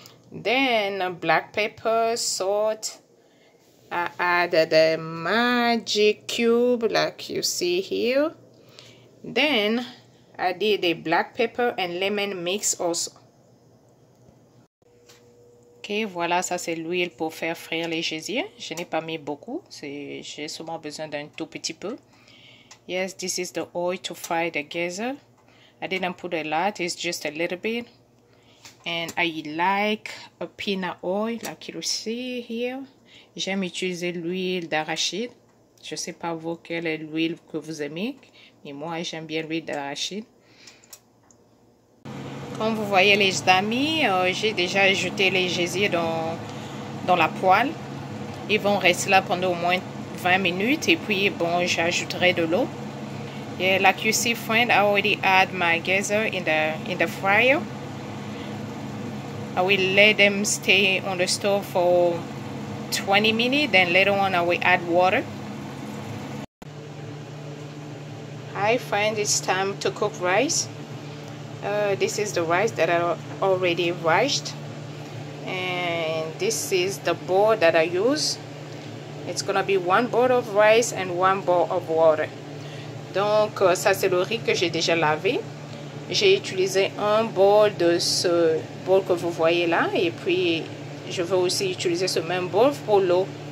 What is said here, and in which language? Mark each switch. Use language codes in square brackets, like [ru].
[en] Then black pepper, salt. I added a magic cube like you see here. Then I did a black pepper and lemon mix also. [fr] Okay, voilà, ça c'est l'huile pour faire frire les gésiers. Je n'ai pas mis beaucoup, j'ai seulement besoin d'un tout petit peu. [en] Yes, this is the oil to fry the geyser. I didn't put a lot, it's just a little bit. And I like a peanut oil like you see here. [fr] J'aime utiliser l'huile d'arachide. Je ne sais pas vous quelle est l'huile que vous aimez, mais moi j'aime bien l'huile d'arachide. Comme vous voyez les amis, j'ai déjà ajouté les gésiers dans la poêle. Ils vont rester là pendant au moins 20 minutes et puis bon, j'ajouterai de l'eau. [en] Et like you see, friend, I already add my geyser in the fryer. I will let them stay on the stove for 20 minutes, then later on I will add water. I find it's time to cook rice. This is the rice that I already washed, and this is the bowl that I use. It's gonna be one bowl of rice and one bowl of water. [fr] Donc ça c'est le riz que j'ai déjà lavé. J'ai utilisé un bowl de ce bowl que vous voyez là, et puis je veux aussi utiliser ce même bol pour l'eau.